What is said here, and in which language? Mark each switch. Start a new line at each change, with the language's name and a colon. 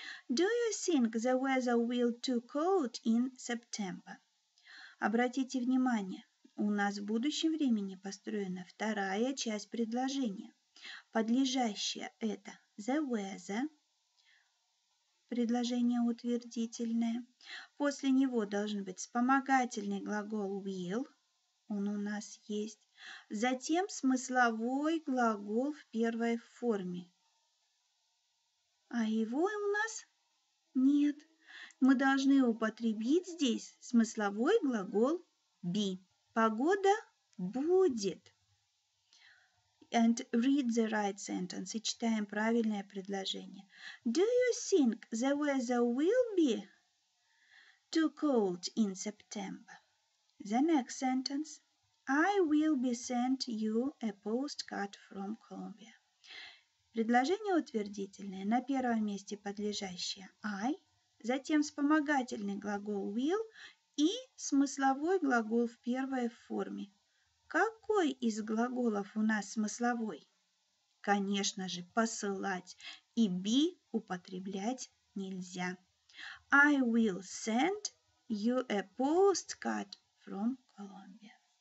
English: Do you think the weather will too cold in September?
Russian: Обратите внимание, у нас в будущем времени построена вторая часть предложения. Подлежащее это
English: the weather.
Russian: Предложение утвердительное. После него должен быть вспомогательный глагол will. Он у нас есть. Затем смысловой глагол в первой форме. А его у нас нет. Мы должны употребить здесь смысловой глагол be. Погода будет.
English: And read the right sentence.
Russian: И читаем правильное предложение.
English: Do you think the weather will be too cold in September? The next sentence. I will be sent you a postcard from Colombia.
Russian: Предложение утвердительное. На первом месте подлежащее I, затем вспомогательный глагол will и смысловой глагол в первой форме. Какой из глаголов у нас смысловой? Конечно же, посылать. И be употреблять нельзя.
English: I will send you a postcard from Colombia.